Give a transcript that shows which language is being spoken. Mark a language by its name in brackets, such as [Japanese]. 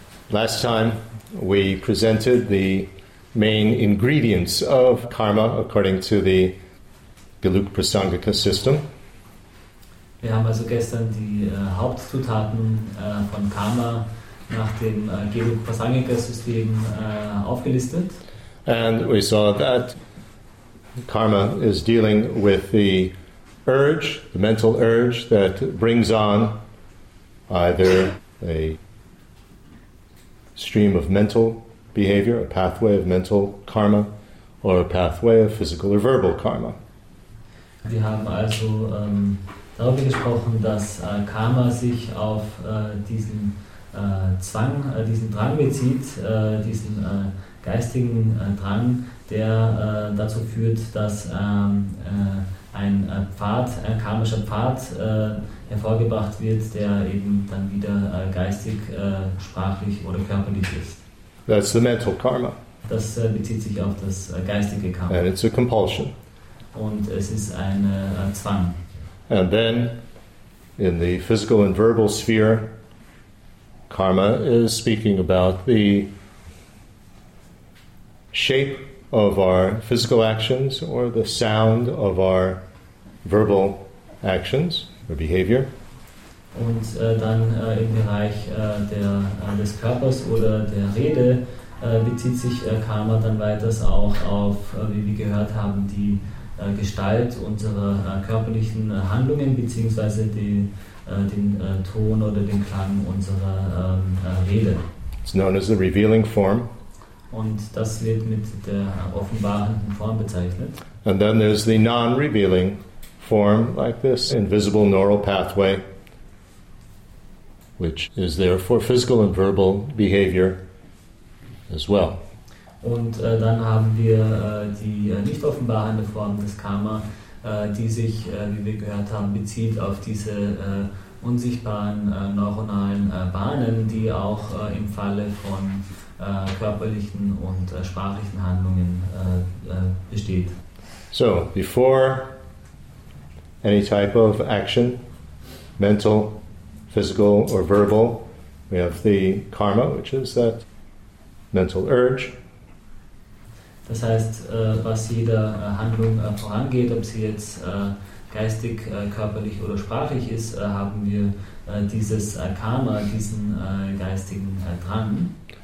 [English] Last time, we presented the main ingredients of karma according to the Gelug Prasangika system. [German] Wir haben also gestern die Hauptzutaten von Karma nach dem Gelug Prasangika system aufgelistet. [English] And we saw that karma is dealing with the urge, the mental urge that brings on either a stream of mental behavior, a pathway of mental karma, or a pathway of physical or verbal karma. [German] Wir haben also darüber gesprochen, dass Karma sich auf diesen Zwang, diesen Drang bezieht, diesen geistigen Drang, der dazu führt, dass ein Pfad, ein karmischer Pfad hervorgebracht wird, der eben dann wieder geistig, sprachlich oder körperlich ist. [English] That's the mental karma. [German] Das bezieht sich auf das geistige Karma. [English] And it's a compulsion. [German] Und es ist eine Zwang. [English] And then, in the physical and verbal sphere, karma is speaking about the shape of our physical actions or the sound of our verbal actions or behavior. [German] Und dann im Bereich des Körpers oder der Rede bezieht sich Karma dann weiters auch auf, wie wir gehört haben, die Gestalt unserer körperlichen Handlungen beziehungsweise den Ton oder den Klang unserer Rede. [English] It's known as the revealing form. [German] Und das wird mit der offenbarenden Form bezeichnet. [English] And then there's the non-revealing form, like this invisible neural pathway, which is there for physical and verbal behavior as well. [German] Und dann haben wir die nicht offenbarende Form des Karma, die sich, wie wir gehört haben, bezieht auf diese unsichtbaren neuronalen Bahnen, die auch im Falle von körperlichen und sprachlichen Handlungen besteht. [English] So, before any type of action, mental, physical or verbal, we have the karma, which is that mental urge. [German] Das heißt, was jeder Handlung vorangeht, ob sie jetzt geistig, körperlich oder sprachlich ist, haben wir dieses Karma, diesen geistigen Drang.